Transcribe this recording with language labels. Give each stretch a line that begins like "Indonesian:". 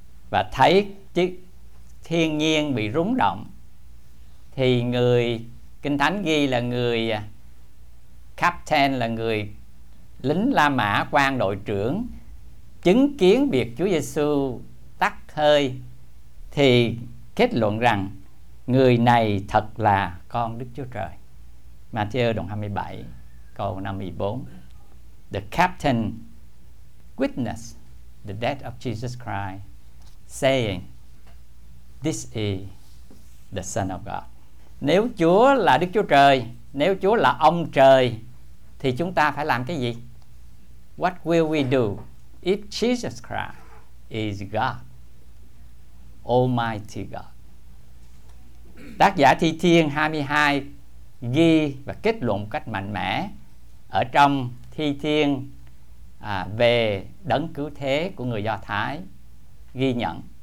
Vietnamese: và thấy chiếc thiên nhiên bị rúng động, thì người Kinh Thánh ghi là người captain, là người lính La Mã, quan đội trưởng, chứng kiến việc Chúa Giêsu tắt hơi thì kết luận rằng người này thật là con Đức Chúa Trời. Matthew đoạn 27 câu 54.
English: The captain witnessed the death of Jesus Christ saying, this is the Son of God.
Vietnamese: Nếu Chúa là Đức Chúa Trời, nếu Chúa là ông trời, thì chúng ta phải làm cái gì?
English: What will we do if Jesus Christ is God, Almighty God?
Vietnamese: Tác giả Thi Thiên 22 ghi và kết luận một cách mạnh mẽ ở trong Thi Thiên về đấng cứu thế của người Do Thái ghi nhận.